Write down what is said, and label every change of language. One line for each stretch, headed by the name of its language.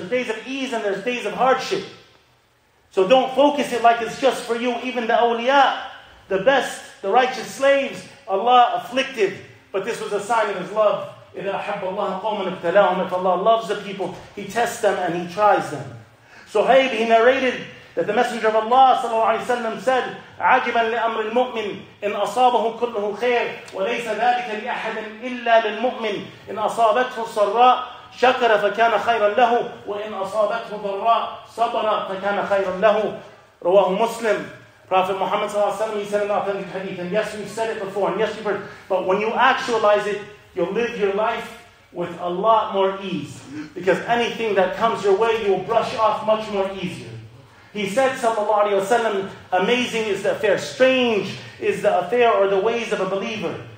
English: There's days of ease and there's days of hardship. So don't focus it like it's just for you. Even the awliya, the best, the righteous slaves, Allah afflicted. But this was a sign of His love.
Arabic: إِذَا أَحَبَّ اللَّهَ قَوْمًا ابْتَلَاهُمْ
English: If Allah loves the people, He tests them and He tries them. Suhayb, he narrated that the Messenger of Allah sallallahu alayhi wa sallam said,
Arabic: عَجِبًا لِأَمْرِ الْمُؤْمِنِ إِنْ أَصَابَهُ كُلُّهُ خَيْرٌ وَلَيْسَ ذَلِكَ لِأَحَدٍ إِلَّا لِلْمُؤْمِنِ إِنْ أَصَابَتْهُ السَّرَّاءُ شَكَرَ فَكَانَ خَيْرًا لَهُ وَإِنْ أَصَابَتْهُ ضَرَّاءُ صَبَرَ فَكَانَ خَيْرًا لَهُ رواه مسلم.
English: Prophet Muhammad sallallahu alaihi wasallam, he said an authentic hadith. And yes, we've said it before, and yes, we've heard. But when you actualize it, you'll live your life with a lot more ease. Because anything that comes your way, you'll brush off much more easier. He said, sallallahu alaihi wasallam, amazing is the affair, strange is the affair or the ways of a believer.